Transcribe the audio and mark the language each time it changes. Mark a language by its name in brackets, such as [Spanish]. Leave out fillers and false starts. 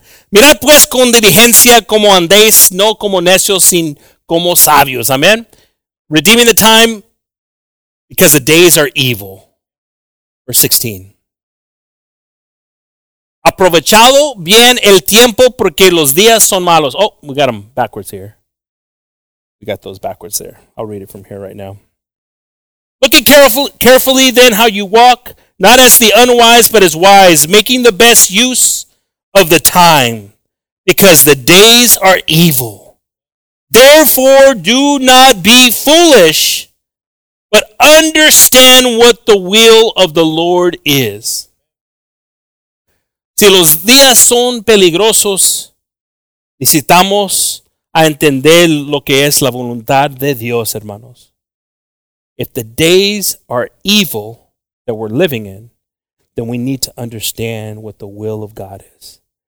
[Spanish] Mirad pues con diligencia como andéis, no como necios, sino como sabios. Amén. [English] Redeeming the time because the days are evil. Verse 16. [Spanish] Aprovechado bien el tiempo porque los días son malos. [English] Oh, we got them backwards here. We got those backwards there. I'll read it from here right now. Looking carefully then how you walk, not as the unwise, but as wise, making the best use of the time because the days are evil. Therefore, do not be foolish, but understand what the will of the Lord is. [Spanish] Si los días son peligrosos, necesitamos a entender lo que es la voluntad de Dios, hermanos. [English] If the days are evil that we're living in, then we need to understand what the will of God is.